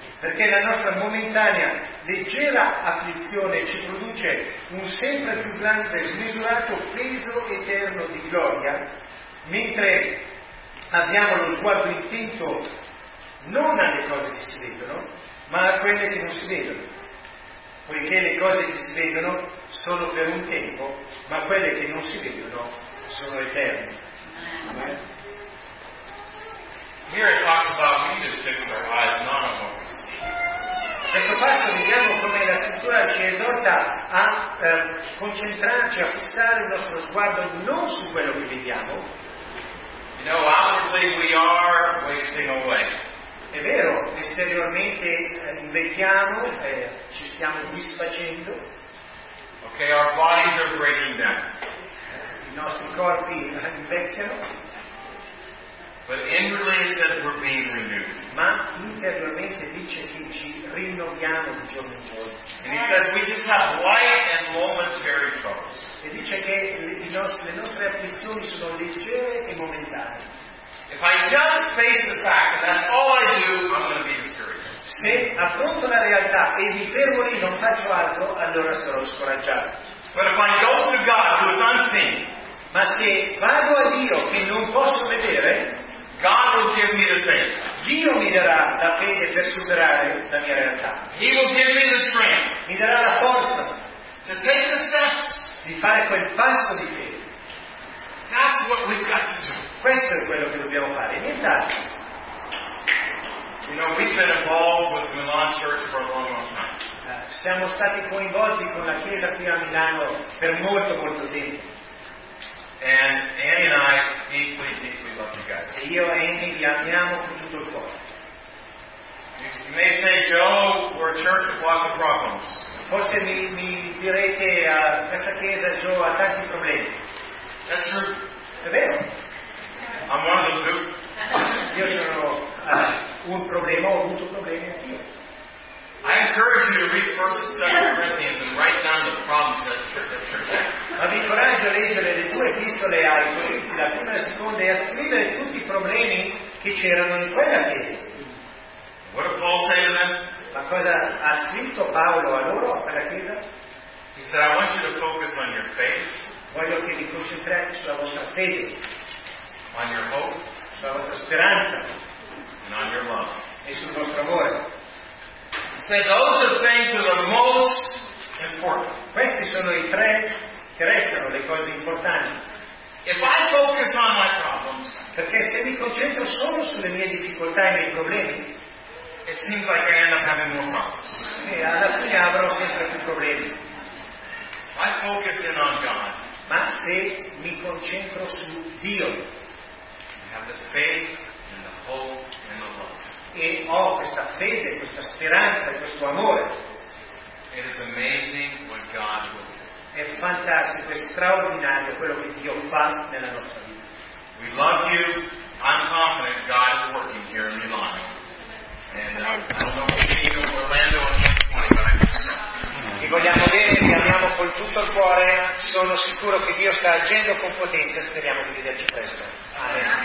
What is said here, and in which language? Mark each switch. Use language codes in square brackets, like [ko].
[it] Perché la nostra momentanea, leggera afflizione ci produce un sempre più grande e smisurato peso eterno di gloria, mentre abbiamo lo sguardo intento non alle cose che si vedono, ma a quelle che non si vedono. Poiché le cose che si vedono sono per un tempo, ma quelle che non si vedono sono eterne. [en] Here it talks about we need to fix our eyes not on what we see. [it] Questo passo vediamo come la scrittura ci esorta a concentrarci, a fissare il nostro sguardo non su quello che vediamo. [en] You know, outwardly we are wasting away. [it] È vero, esteriormente invecchiamo, ci stiamo disfacendo. [en] Okay, our bodies are breaking down. [it] I nostri corpi invecchiano. [en] But inwardly it says we're being renewed. [it] Ma interiormente dice che ci rinnoviamo di giorno in giorno. [en] And he says we just have light and momentary troubles. [it] E dice che le nostre afflizioni sono leggere e momentanee. [en] If I just face the fact that all I do, I'm going to be discouraged. [it] Se affronto la realtà e mi fermo lì, non faccio altro, allora sarò scoraggiato. [en] But if I go to God who is unseen. [it] Ma se vado a Dio che non posso vedere, [en] God will give me the faith. [it] Dio mi darà la fede per superare la mia realtà. [en] He will give me the strength. [it] Mi darà la forza. [en] To take the steps. [it] Di fare quel passo di fede. [en] That's what we've got to do. [it] Questo è quello che dobbiamo fare. Nient'altro. [en] You know, we've been involved with the Milan Church for a long, long time. [it] Siamo stati coinvolti con la Chiesa qui a Milano per molto, molto tempo. [en] And Annie and I deeply, deeply love you guys. [it] E io e Annie vi amiamo con tutto il cuore. [en] You may say, Joe, we're a church with lots of problems. [it] Forse mi direte a questa chiesa, Joe, ha tanti problemi. [en] That's true. [it] È vero. [en] I'm one of them too. [it] Io sono un problema, ho avuto problemi anch'io. [en] I encourage you to read 1 and 2 Corinthians and write down the problems that the church has. [it] Ma vi incoraggio a leggere le due epistole ai Corinzi, la prima e la seconda, e a scrivere tutti i problemi che c'erano in quella chiesa. [en] What did Paul say to them? [it] Ma cosa ha scritto Paolo a loro, a quella chiesa? [en] He said, I want you to focus on your faith. [it] Voglio che vi concentrate sulla vostra fede. [en] On your hope. [it] Sulla vostra speranza. [en] And on your love. [it] E sul vostro amore. [en] He said, those are things that are most important. [it] Questi sono i tre che restano le cose importanti. [en] If I focus on my problems, [it] perché se mi concentro solo sulle mie difficoltà e i miei problemi, [en] it seems like I end up having more problems. [it] E alla fine avrò sempre più problemi. [en] If I focus in on God, [it] ma se mi concentro su Dio, [en] I have the faith and the hope and the love. [it] E ho questa fede, questa speranza, questo amore. [en] It is amazing what God will. [it] È fantastico, è straordinario quello che Dio fa nella nostra vita. [en] We love you. I'm confident God is working here in Milan. And I don't know if any of you in Orlando are [it] Vi vogliamo bene, vi amiamo con tutto il cuore. Sono sicuro che Dio sta agendo con potenza. Speriamo di vederci presto. Amen.